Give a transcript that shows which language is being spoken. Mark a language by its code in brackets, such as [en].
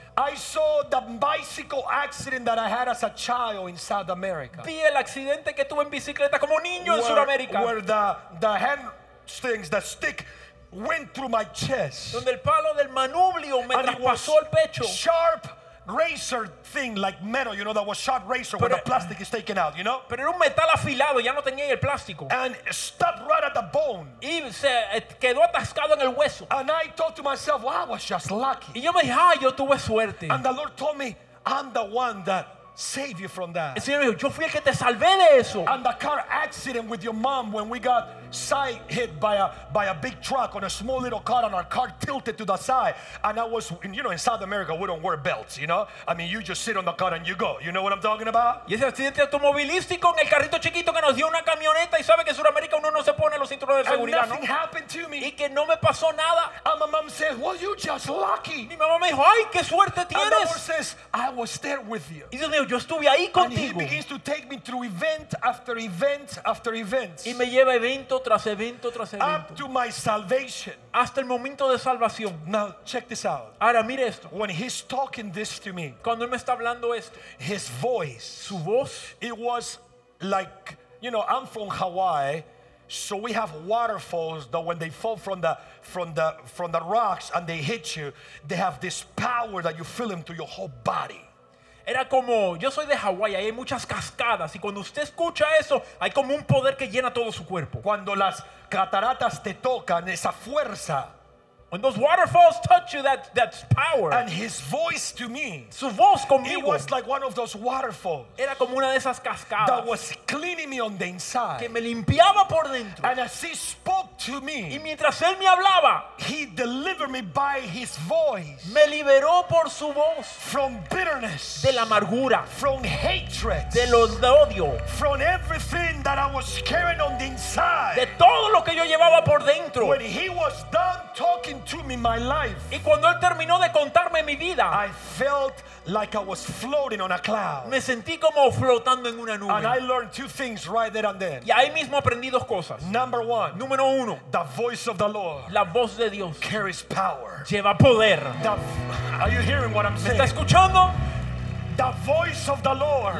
[en] I saw the bicycle accident that I had as a child in South America. [es] Vi el accidente que tuve en bicicleta como niño en Sudamérica. [en] Where the hand strings, the stick went through my chest. [es] Donde el palo del manubrio me traspasó el pecho. [en] Sharp razor thing like metal, you know, that was sharp razor where the plastic is taken out, you know? [es] Pero era un metal afilado, ya no tenía el plástico. [en] And stuck right at the bone. [es] Y se quedó atascado en el hueso. [en] And I thought to myself, well, I was just lucky. [es] Y yo me dije, ah, yo tuve suerte. [en] And the Lord told me, I'm the one that saved you from that. [es] El Señor me dijo, yo fui el que te salvé de eso. [en] And the car accident with your mom when we got side hit by a big truck on a small little car and our car tilted to the side and I was, you know, in South America we don't wear belts, you know, I mean you just sit on the car and you go, you know what I'm talking about? [es] Y ese accidente automovilístico en el carrito chiquito que nos dio una camioneta y sabe que en Sudamérica uno no se pone los cinturones de seguridad, [en] and nothing happened to me. [es] Y que no me pasó nada. [en] And my mom said, well, you just lucky. [es] Mi mamá me dijo, ay, qué suerte tienes. [en] And the Lord says, I was there with you. [es] Y Dios me dijo, yo estuve ahí contigo. [en] And he begins to take me through event after event after event. [es] Y me lleva evento tras evento, tras evento. [en] Up to my salvation. [es] Hasta el momento de salvación. [en] Now check this out. [es] Ahora mire esto. [en] When he's talking this to me. [es] Cuando él me está hablando esto. [en] His voice. [es] Su voz. [en] It was like, you know, I'm from Hawaii, so we have waterfalls that when they fall from the rocks and they hit you, they have this power that you feel into your whole body. [es] Era como, yo soy de Hawái, hay muchas cascadas y cuando usted escucha eso, hay como un poder que llena todo su cuerpo. Cuando las cataratas te tocan, esa fuerza. [en] When those waterfalls touch you, that's power. And his voice to me, [es] su voz conmigo, [en] it was like one of those waterfalls. [es] Era como una de esas cascadas. [en] That was cleaning me on the inside. [es] Que me limpiaba por dentro. [en] And as he spoke to me, [es] y mientras él me hablaba, [en] he delivered me by his voice. [es] Me liberó por su voz. [en] From bitterness. [es] De la amargura. [en] From hatred. [es] De los de odio. [en] From everything that I was carrying on the inside. [es] De todo lo que yo llevaba por dentro. [en] When he was done talking told me my life, [es] y cuando él terminó de contarme mi vida, [en] I felt like I was floating on a cloud. [es] Me sentí como flotando en una nube. [en] And I learned two things right there and then. [es] Y ahí mismo aprendí dos cosas. [en] Number one, [es] número uno, [en] the voice of the Lord, [es] la voz de Dios, [en] carries power, [es] lleva poder. [en] Are you hearing what I'm saying? [es] ¿Me está escuchando? [en] The voice of the Lord,